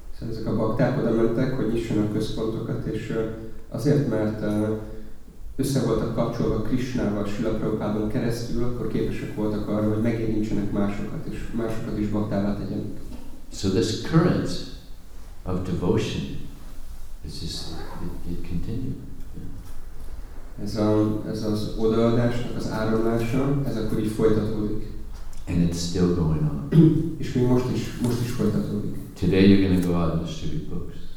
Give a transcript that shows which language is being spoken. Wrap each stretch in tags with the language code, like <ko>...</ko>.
<hu>Ezek a bakták oda mentek, hogy nyissanak központokat, és azért, mert össze voltak kapcsolva Krishnával, Srila Prabhupádon keresztül, akkor képesek voltak arra, hogy megérintsenek másokat, és másokat is baktává tegyenek.</hu> <en>So this current of devotion, is just, it continued. Yeah.</en> <hu>Ez az odaadásnak az áramlása, ez akkor így folytatódik.</hu> <en>And it's still going on.</en> <hu>És még most is folytatódik.</hu> <en>Today you're going to go out and distribute books.</en>